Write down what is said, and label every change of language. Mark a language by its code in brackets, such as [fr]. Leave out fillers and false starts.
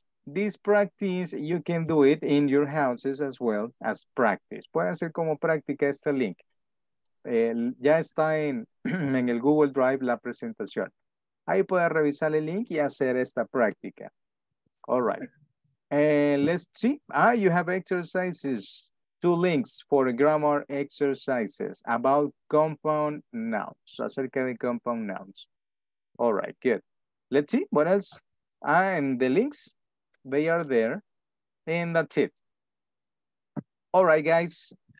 [en] This practice, you can do it in your houses as well as practice. [es] Puede hacer como práctica este link. Ya está en el Google Drive la presentación. Ahí puede revisar el link y hacer esta práctica. [en] All right. Let's see. You have exercises. Two links for grammar exercises about compound nouns. [es] Acerca de [en] compound nouns. All right, good. Let's see. What else? And the links, they are there. And that's it. All right, guys.